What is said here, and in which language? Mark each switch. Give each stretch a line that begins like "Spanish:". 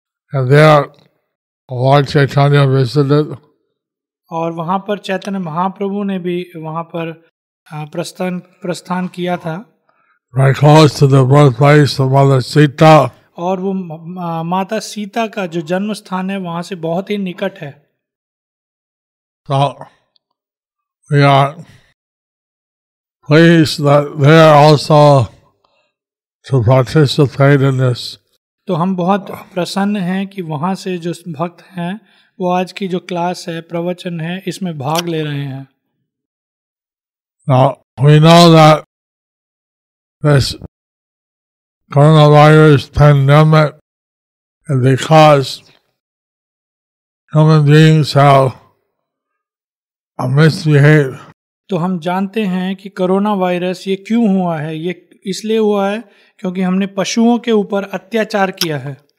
English: Lord Chaitanya visited.
Hindi: और वहाँ पर चैतन्य महाप्रभु ने भी वहाँ पर प्रस्थान किया था।
English: Right close to the birthplace of Mother Sita.
Hindi: और वो माता सीता का जो जन्म स्थान है वहाँ से बहुत ही निकट है।
English: So, we are pleased that they are also to participate in this.
Hindi: तो हम बहुत प्रसन्न हैं कि वहाँ से जो भक्त हैं वो आज की जो क्लास है प्रवचन है इसमें भाग ले रहे हैं।
English: Now, we know that this coronavirus pandemic is because human beings have misbehaved.
Hindi: तो हम जानते हैं कि कोरोना वायरस ये क्यों हुआ है। ये इसलिए हुआ है क्योंकि हमने पशुओं के ऊपर अत्याचार किया है।